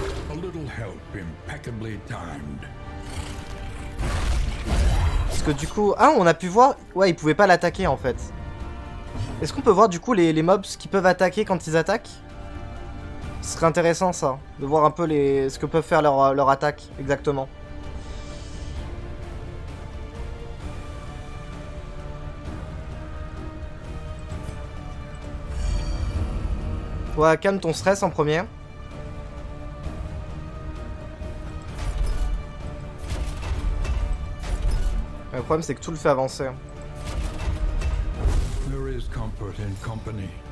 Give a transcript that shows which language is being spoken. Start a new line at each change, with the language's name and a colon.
English: A little help impeccably timed.
French: Parce que du coup, ah, on a pu voir, ouais, ils pouvaient pas l'attaquer en fait. Est-ce qu'on peut voir du coup les mobs qui peuvent attaquer quand ils attaquent? Ce serait intéressant ça, de voir un peu les ce que peuvent faire leur attaque exactement. Ouais, calme ton stress en premier. Le problème, c'est que tout le fait avancer.
English: There is comfort in company.